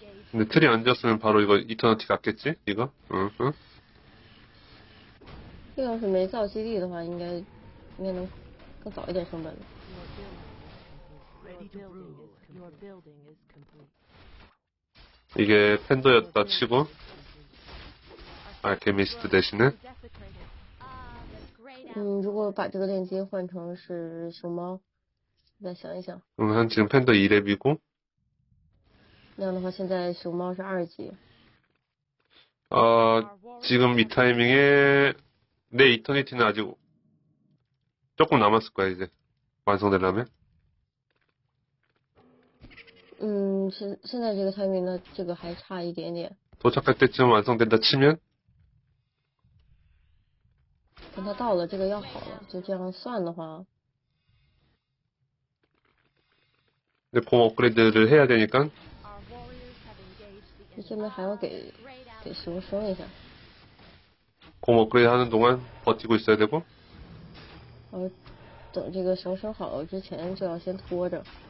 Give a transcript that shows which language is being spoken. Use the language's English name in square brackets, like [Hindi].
[Korean] 근데트리안졌으면바로이거이터너티갔겠지이거응응 [Chinese] 这要是没造基地的话，应该能。更早一点升本 [Korean] 了이게팬더였다치고아케미스트대신에 [Chinese] 如果把这个链接换成是熊猫再想一想 [Korean] 응한지금팬더2렙이고 [Chinese] 那样的话现在熊猫是2级 [Korean] 어지금이타이밍에내이터니티는아직조금남았을거야이제완성되려면 [Chinese] 现在这个타이밍呢这个还差一点点 [Korean] 도착할때쯤완성된다치면 [Chinese] 等他到了这个要好了就这样算的话 [Korean] 근데곰업그레이드를해야되니까 [Chinese] 现在还要给熊升一下 [Korean] 곰업그레이드하는동안버티고있어야되고 [Chinese] 等这个熊生好了之前就要先拖着